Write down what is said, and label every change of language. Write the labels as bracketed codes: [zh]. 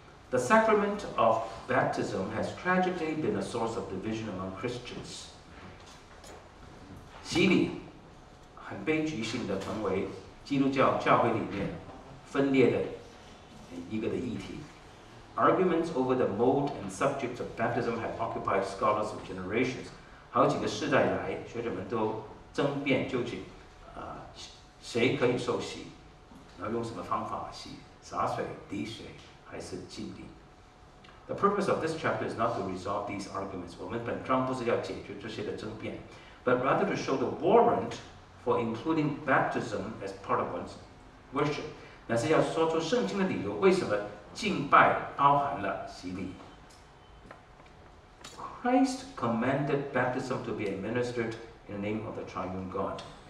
[en] The sacrament of baptism has tragically been a source of division among Christians. [zh] 洗礼很悲剧性的成为基督教教会里面分裂的一个的议题。 [en] Arguments over the mode and subject of baptism have occupied scholars of generations. [zh] 好几个世代来学者们都争辩究竟、谁可以受洗，然后用什么方法洗，洒水、滴水还是浸礼。 [en] The purpose of this chapter is not to resolve these arguments. [zh] 我们本章不是要解决这些的争辩， [en] but rather to show the warrant for including baptism as part of one's worship. [zh] 那是要说出圣经的理由，为什么敬拜包含了洗礼。 [en] Christ commanded baptism to be administered in the name of the triune God.